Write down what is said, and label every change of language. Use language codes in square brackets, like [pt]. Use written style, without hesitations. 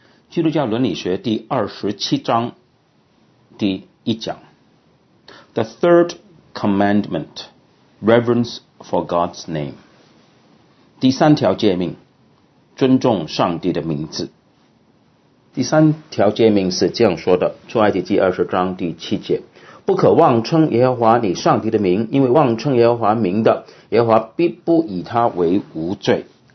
[zh] 基督教伦理学第27章第一讲。 [en] The Third Commandment, Reverence for God's Name. [zh] 第三条诫命，尊重上帝的名字。第三条诫命是这样说的，出埃及记20章第七节。不可妄称耶和华你上帝的名，因为妄称耶和华名的，耶和华必不以他为无罪。